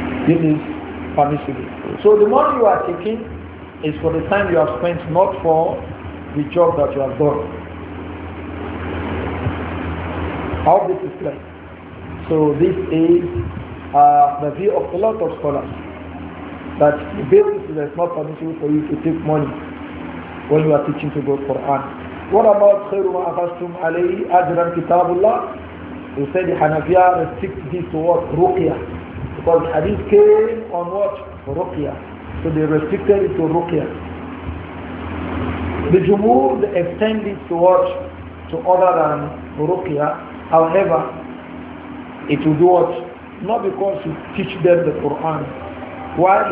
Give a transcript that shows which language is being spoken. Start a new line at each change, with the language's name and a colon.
English: This is permissible. So the money you are taking is for the time you have spent, not for the job that you have done. How this is clear? So this is the view of a lot of scholars. That the basis is that it's not permissible for you to take money when you are teaching to go Quran. What about
Arabic: خَيْرُ مَا أَخَذْتُمْ عَلَيْهِ أَجْرًا كِتَابُ اللَّهِ?
English: You say the Hanafiya restricts this to what? Ruqya. Because the hadith came on what? Ruqya. So they restricted it to ruqya. The Jumu'ur extended to what? To other than ruqya. However, it will do what? Not because you teach them the Quran. Why?